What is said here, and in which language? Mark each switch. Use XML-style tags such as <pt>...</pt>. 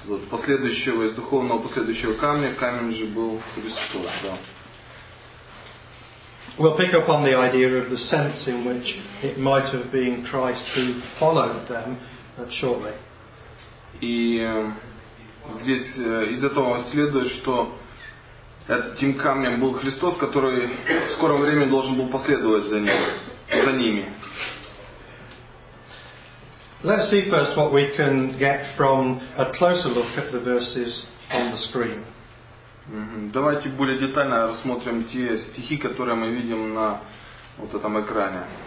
<ru>Последующего из духовного последующего камня, камень же был Христос. Да.</ru> <en>We'll pick up on the idea of the sense in which it might have been Christ who followed them shortly.</en> <ru>И здесь из этого следует, что этим камнем был Христос, который в скором времени должен был последовать за ним, за ними.</ru> <en>Let's see first what we can get from a closer look at the verses on the screen.</en> <ru>Давайте более детально рассмотрим те стихи, которые мы видим на вот этом экране.</ru>